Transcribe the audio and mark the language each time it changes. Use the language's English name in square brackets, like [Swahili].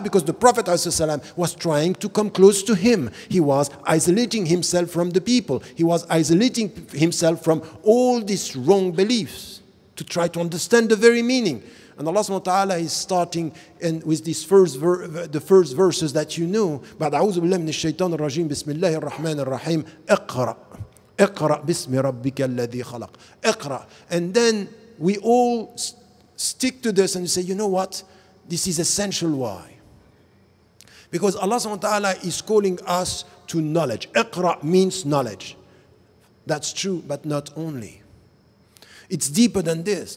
[English] Because the Prophet ﷺ was trying to come close to him. He was isolating himself from the people. He was isolating himself from all these wrong beliefs to try to understand the very meaning. And Allah subhanahu wa ta'ala is starting in with this first the first verses that you know. [Arabic] بعد أعوذ بالله من الشيطان الرجيم بسم الله الرحمن الرحيم اقرأ اقرأ بسم ربك الذي خلق اقرأ. [English] And then we all stick to this and say, you know what? This is essential. Why? Because Allah subhanahu wa ta'ala is calling us to knowledge. Iqra' means knowledge. That's true, but not only. It's deeper than this.